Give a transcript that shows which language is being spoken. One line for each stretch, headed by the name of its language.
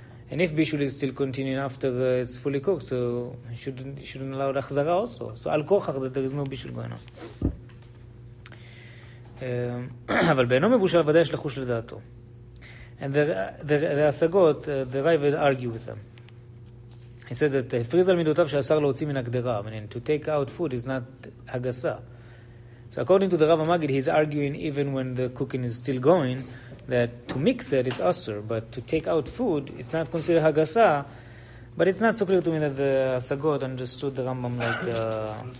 English: And if Bishul is still continuing after it's fully cooked, so shouldn't allow the Achzara also. So Al Kochach, that there is no Bishul going on.
Hebrew: אבל בינו מבושל ודאי יש לחוש לדעתו.
English: And the השגות, the rival argue with them. He said that
Hebrew: הפריז על מידותיו שאסר להוציא מן הגדרה.
English: Meaning to take out food is not הגסה. So according to the Rav HaMagid, he's arguing even when the cooking is still going, that to mix it, it's asur, but to take out food, it's not considered hagasa, but it's not so clear to me that the Sagot understood the Rambam like the...